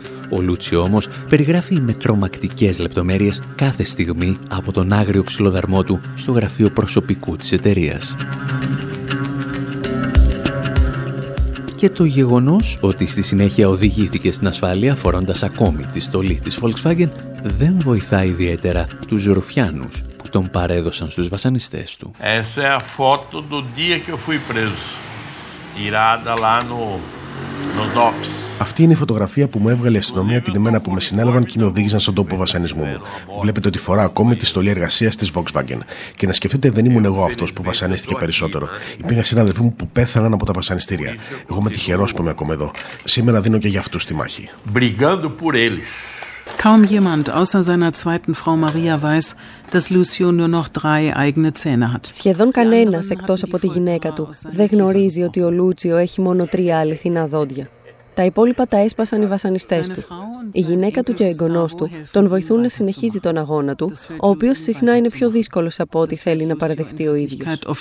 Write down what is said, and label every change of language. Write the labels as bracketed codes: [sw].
[el] Ο Λούτσι όμως περιγράφει με τρομακτικές λεπτομέρειες κάθε στιγμή από τον άγριο ξυλοδαρμό του στο γραφείο προσωπικού της εταιρείας. Και το γεγονός ότι στη συνέχεια οδηγήθηκε στην ασφάλεια φορώντας ακόμη τη στολή της Volkswagen δεν βοηθά ιδιαίτερα τους ρουφιάνους. Τον παρέδωσαν στους βασανιστές του. [pt] Essa é a foto do dia que eu fui preso. Tirada lá no DOPS. [el] Αυτή είναι η φωτογραφία που μου έβγαλε η αστυνομία την ημέρα που με συνέλαβαν και με οδήγησαν στον τόπο βασανισμού μου. Βλέπετε ότι φορά ακόμη τη στολή εργασίας της Volkswagen. Και να σκεφτείτε, δεν ήμουν εγώ αυτός που βασανίστηκε περισσότερο. Υπήρχαν συναδελφοί μου που πέθαναν από τα βασανιστήρια. Εγώ είμαι τυχερός που είμαι ακόμα εδώ. Σήμερα δίνω και για αυτούς τη μάχη. [pt] Brigando por eles. [de] Kaum jemand außer seiner zweiten Frau Maria weiß, dass Lucio nur noch drei eigene Zähne hat. [el] Σχεδόν κανένας εκτός από τη γυναίκα του δεν γνωρίζει ότι ο Λούτσιο έχει μόνο τρία αληθινά δόντια. Τα υπόλοιπα τα έσπασαν οι βασανιστές του. Η γυναίκα του και ο εγγονός του τον βοηθούν να συνεχίζει τον αγώνα του, ο οποίος συχνά είναι πιο δύσκολος από ό,τι θέλει να παραδεχτεί ο ίδιος.